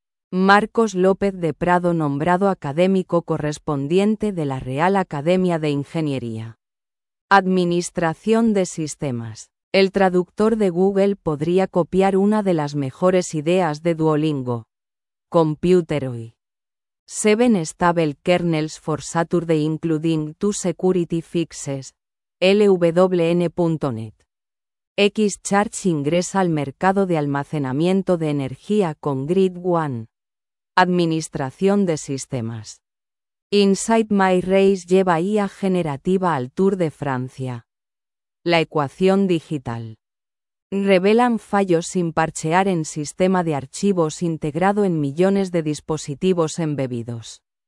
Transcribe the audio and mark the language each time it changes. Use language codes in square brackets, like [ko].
[es] Marcos López de Prado nombrado académico correspondiente de la Real Academia de Ingeniería. Administración de sistemas. El traductor de Google podría copiar una de las mejores ideas de Duolingo. Computeroy. [en] 7 stable kernels for Saturday including 2 security fixes. [es] LWN.net. Xcharge ingresa al mercado de almacenamiento de energía con Grid One. Administración de sistemas. Inside My Race lleva IA generativa al Tour de Francia. La ecuación digital. Revelan fallos sin parchear en sistema de archivos integrado en millones de dispositivos embebidos.